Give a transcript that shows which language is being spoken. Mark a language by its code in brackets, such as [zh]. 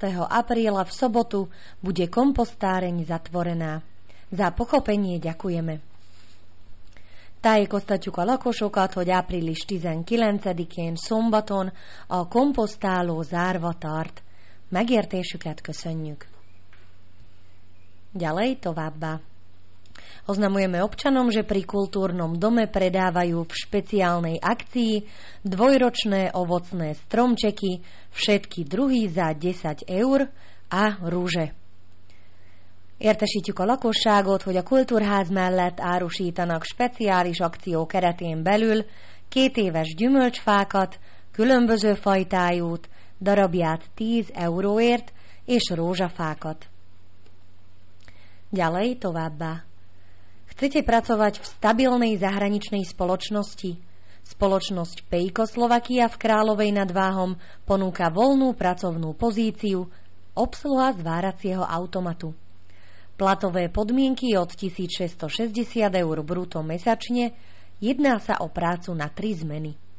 [sk] apríla v sobotu bude kompostáreň zatvorená. Za pochopenie ďakujeme. [hu] Tai kostatjuka lakosokat, hogy április 19-én szombaton a komposztáló zárva tart. Megértésüket köszönjük. [sk] Ďalej [hu] továbbá. [sk] Oznamujeme občanom, že pri kultúrnom dome predávajú v špeciálnej akcii dvojročné ovocné stromčeky, všetky druhy za 10 eur a rúže. [hu] Értesítjük a lakosságot, hogy a kultúrház mellett árusítanak speciális akció keretén belül kétéves gyümölcsfákat, különböző fajtájút, darabját 10 euróért és rózsafákat. [sk] Ďalej [hu] továbbá. [sk] Chcete pracovať v stabilnej zahraničnej spoločnosti? Spoločnosť Pejko Slovakia v Královej nad Váhom ponúka voľnú pracovnú pozíciu obsluha zváracieho automatu. Platové podmienky od 1660 eur bruto mesačne, jedná sa o prácu na 3 zmeny.